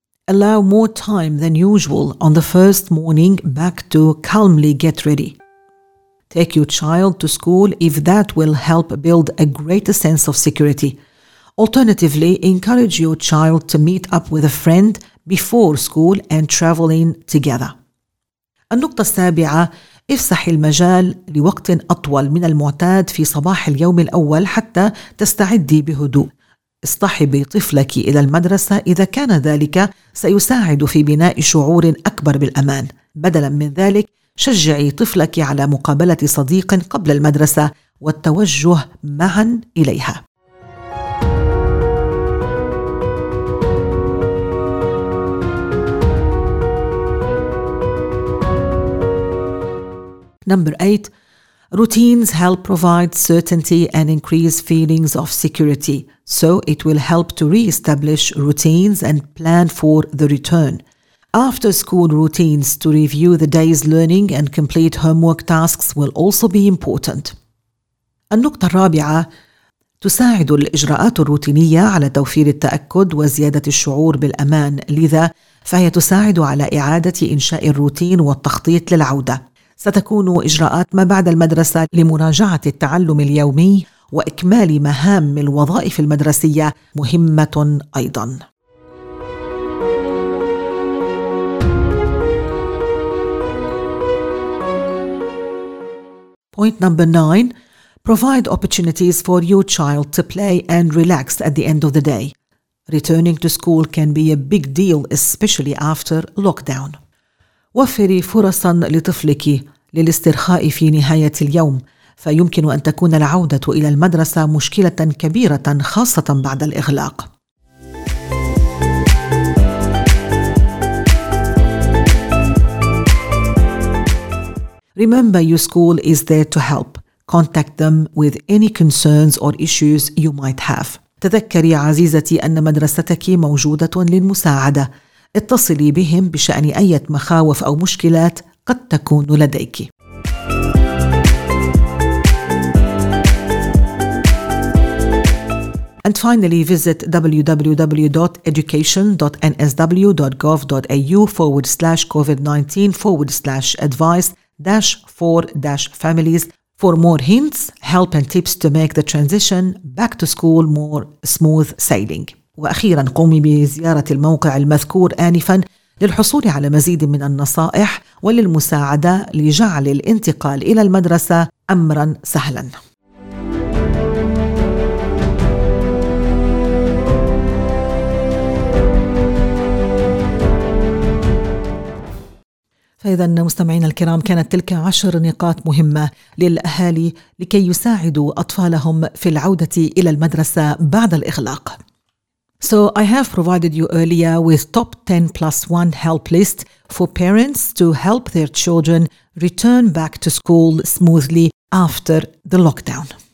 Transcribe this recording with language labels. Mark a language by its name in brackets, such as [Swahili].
[English] Allow more time than usual on the first morning back to calmly get ready. Take your child to school if that will help build a greater sense of security. Alternatively, encourage your child to meet up with a friend before school and traveling together. [Arabic] النقطة السابعة: افسح المجال لوقت أطول من المعتاد في صباح اليوم الأول حتى تستعدي بهدوء. اصطحبي طفلك إلى المدرسة إذا كان ذلك سيساعد في بناء شعور أكبر بالأمان. بدلا من ذلك، شجعي طفلك على مقابلة صديق قبل المدرسة والتوجه معا إليها. [English] Number 8. Routines help provide certainty and increase feelings of security, so it will help to re-establish routines and plan for the return. After school routines to review the day's learning and complete homework tasks will also be important. [Arabic] النقطة الرابعة: تساعد الإجراءات الروتينية على توفير التأكد وزيادة الشعور بالأمان، لذا فهي تساعد على إعادة إنشاء الروتين والتخطيط للعودة. ستكون إجراءات ما بعد المدرسة لمراجعة التعلم اليومي وإكمال مهام الوظائف المدرسية مهمة أيضا. [English] Point number 9. Provide opportunities for your child to play and relax at the end of the day. Returning to school can be a big deal, especially after lockdown. [Arabic] وفري فرصا لطفلك للاسترخاء في نهاية اليوم، فيمكن أن تكون العودة إلى المدرسة مشكلة كبيرة خاصة بعد الإغلاق. [English] Remember, your school is there to help. Contact them with any concerns or issues you might have. [Arabic] تذكري عزيزتي أن مدرستك موجودة للمساعدة. اتصلي بهم بشأن أي مخاوف أو مشكلات قد تكون لديك. [English] And finally, visit www.education.nsw.gov.au/COVID-19/advice-for-families for more hints, help and tips to make the transition back to school more smooth sailing. [Arabic] وأخيرا قومي بزيارة الموقع المذكور آنفا للحصول على مزيد من النصائح وللمساعدة لجعل الانتقال إلى المدرسة أمرا سهلا. فإذا مستمعينا الكرام، كانت تلك 10 نقاط مهمة للأهالي لكي يساعدوا أطفالهم في العودة إلى المدرسة بعد الإغلاق. [English] So I have provided you earlier with top 10 plus 1 help list for parents to help their children return back to school smoothly after the lockdown.